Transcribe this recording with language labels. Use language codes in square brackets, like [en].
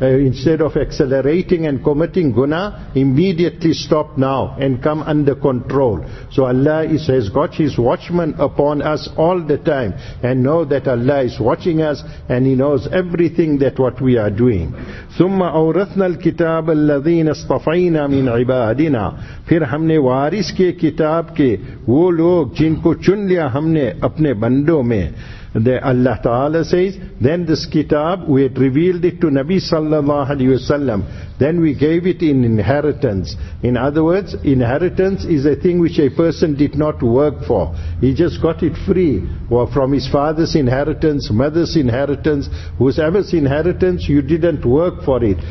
[en] instead of accelerating and committing guna, immediately stop now and come under control. So Allah has got His watchman upon us all the time, and know that Allah is watching us and He knows everything that what we are doing. [ar] ثُمَّ أَوْرَثْنَا الْكِتَابَ الَّذِينَ اصْطَفَيْنَا مِنْ عِبَادِنَا. [ur] پھر ہم نے وارث کے کتاب کے وہ لوگ جن کو چن لیا ہم نے اپنے بندوں میں. [en] The Allah Ta'ala says, then this kitab, we had revealed it to Nabi Sallallahu Alaihi Wasallam. Then we gave it in inheritance. In other words, inheritance is a thing which a person did not work for. He just got it free from his father's inheritance, mother's inheritance, whosoever's inheritance, you didn't work for it.